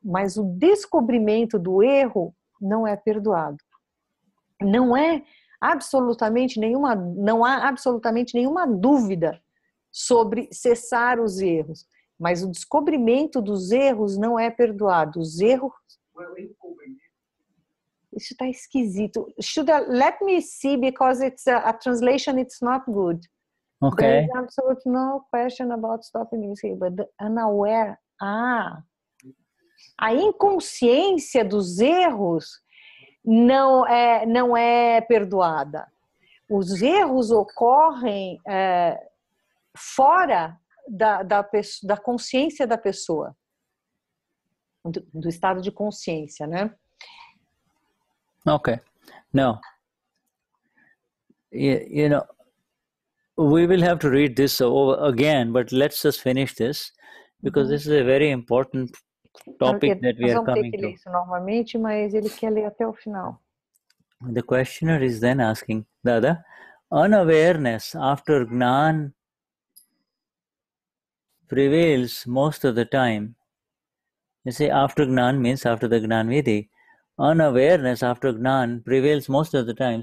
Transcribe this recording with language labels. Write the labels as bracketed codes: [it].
[pt] Mas o descobrimento do erro não é perdoado. Não há absolutamente nenhuma dúvida sobre cessar os erros. Mas o descobrimento dos erros não é perdoado. Os erros... Isso está esquisito. [en] Let me see, because it's a translation, it's not good. Okay. There is absolutely no question about stopping this here, but the unaware. [pt] Ah! A inconsciência dos erros não é perdoada. Os erros ocorrem fora da consciência da pessoa, do estado de consciência, né? [en] Okay. Now, you know, we will have to read this over again, but let's just finish this, because this is a very important topic that we are coming to. [pt] Isso novamente, mas ele quer ler até o final. [en] The questioner is then asking, Dada, unawareness after Gnan prevails most of the time. You see, after Gnan means after the Gnan Vidhi. Unawareness after Gnan prevails most of the time.